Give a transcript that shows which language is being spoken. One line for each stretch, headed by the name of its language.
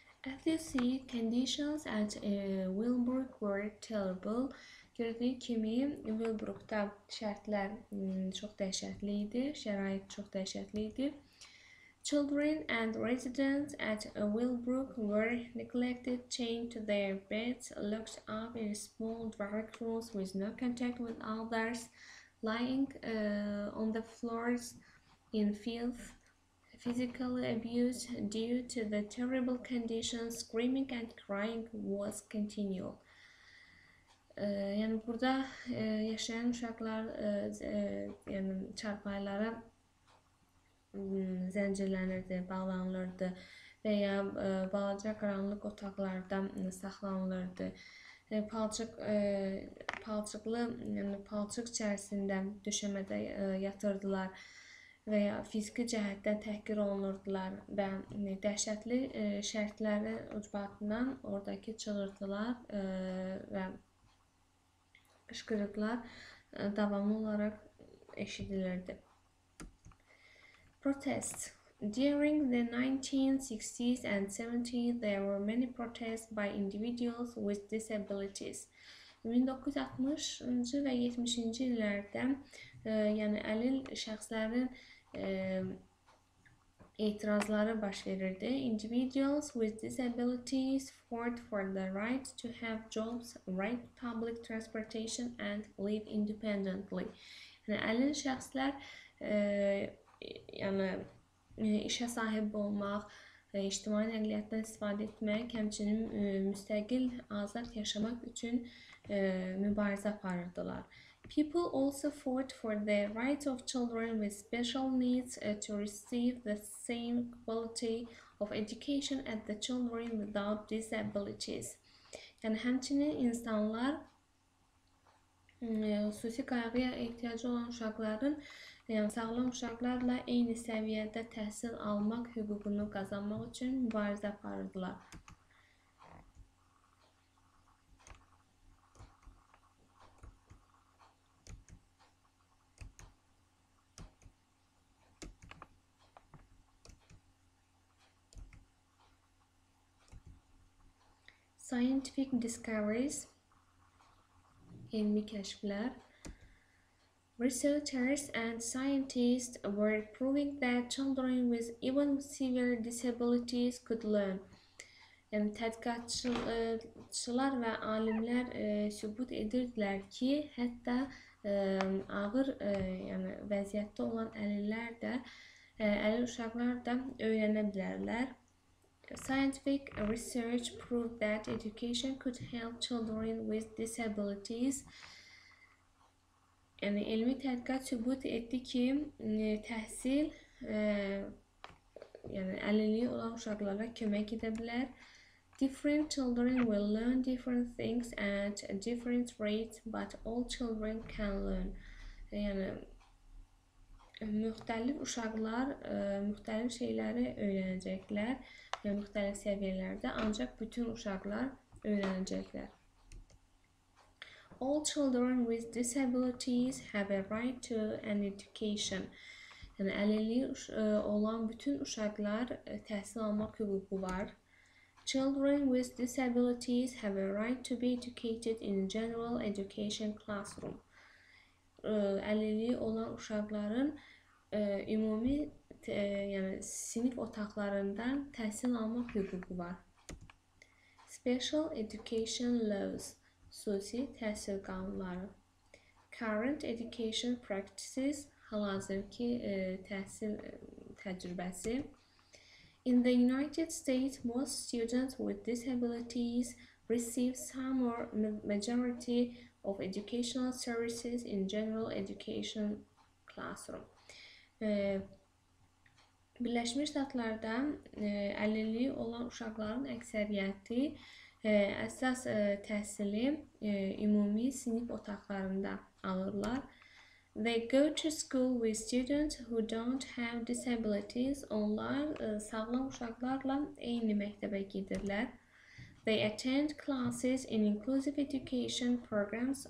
English: As you see, conditions at Willbrook were terrible.
Azerbaijani: Gördüyü kimi, Willbrook'da şərtlər çox dəhşətli idi, şərait çox dəhşətli idi.
English: Children and residents at Willbrook were neglected, chained to their beds, locked up in small dark rooms with no contact with others, lying on the floors in filth, physically abused due to the terrible conditions, screaming and crying was continual.
Azerbaijani: Yəni burada yaşayan uşaqlar yəni çarpaylara zəncirlənirdi, bağlanılırdı və ya balaca qaranlıq otaqlarda saxlanılırdı. Palçıq içərisində döşəmədə yatırdılar və ya fiziki cəhətdən təhqir olunurdular və dəhşətli şərtlərin ucbatından oradakı çığırdılar və qışqırıqlar davamlı olaraq eşidilirdi.
English: Protests. During the 1960s and 70s, there were many protests by individuals with disabilities.
Azerbaijani: 1960-cı və 70-ci illərdə yəni əlil şəxslərin etirazları baş verirdi.
English: Individuals with disabilities fought for the right to have jobs, right public transportation and live independently.
Azerbaijani: Yəni əlil şəxslər yəni işə sahib olmaq, ictimai nəqliyyatdan istifadə etmək, həmçinin müstəqil azad yaşamaq üçün mübarizə aparırdılar.
English: People also fought for the rights of children with special needs to receive the same quality of education as the children without disabilities.
Azerbaijani: Yəni həmçinin insanlar xüsusi qayğıya ehtiyacı olan uşaqların yəni sağlam uşaqlarla eyni səviyyədə təhsil almaq hüququnu qazanmaq üçün mübarizə aparırdılar.
English: Scientific discoveries,
Turkish: ilmi keşfler.
English: Researchers and scientists were proving that children with even severe disabilities could learn.
Azerbaijani: Tədqiqatçılar və alimlər sübut edirdilər ki, hətta ağır yəni vəziyyətdə olan əlillər də, əlil uşaqlar da öyrənə bilərlər.
English: Scientific research proved that education could help children with disabilities.
Azerbaijani: Yəni, elmi tədqiqat sübut etdi ki, təhsil yəni əlilliyi olan uşaqlara kömək edə bilər.
English: Different children will learn different things at a different rate, but all children can learn.
Azerbaijani: Yəni, müxtəlif uşaqlar müxtəlif şeyləri öyrənəcəklər və müxtəlif səviyyələrdə, ancaq bütün uşaqlar öyrənəcəklər.
English: All children with disabilities have a right to an education.
Azerbaijani: Yəni, əlilliyi olan bütün uşaqlar təhsil almaq hüququ var.
English: Children with disabilities have a right to be educated in general education classroom.
Azerbaijani: Əlilliyi olan uşaqların ümumi yəni sinif otaqlarından təhsil almaq hüququ var.
English: Special education laws,
Azerbaijani: xüsusi təhsil qanunları.
English: Current education practices,
Azerbaijani: hal-hazırki təhsil təcrübəsi.
English: In the United States, most students with disabilities receive some or majority of educational services in general education classroom.
Azerbaijani: Birləşmiş Ştatlarda əlilliyi olan uşaqların əksəriyyəti əsas təhsili ümumi sinif otaqlarında alırlar.
English: They go to school with students who don't have disabilities.
Azerbaijani: Onlar sağlam uşaqlarla eyni məktəbə gedirlər.
English: They attend classes in inclusive education programs.